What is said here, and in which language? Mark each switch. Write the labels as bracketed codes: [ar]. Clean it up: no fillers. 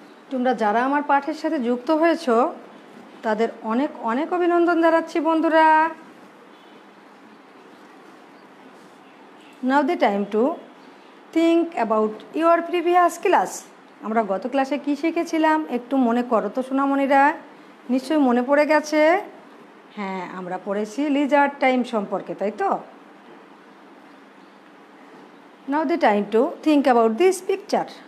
[bn] তোমরা যারা আমার পাঠের সাথে যুক্ত হয়েছো তাদের অনেক অনেক অভিনন্দন জানাচ্ছি বন্ধুরা. [en] Now the time to think about your previous class. [bn] আমরা গত ক্লাসে কি শিখেছিলাম একটু মনে করো তো সোনামণিরা. নিশ্চয়ই মনে পড়ে গেছে. হ্যাঁ, আমরা পড়েছি লিজার্ড টাইম সম্পর্কে, তাই তো? [en] Now the time to think about this picture.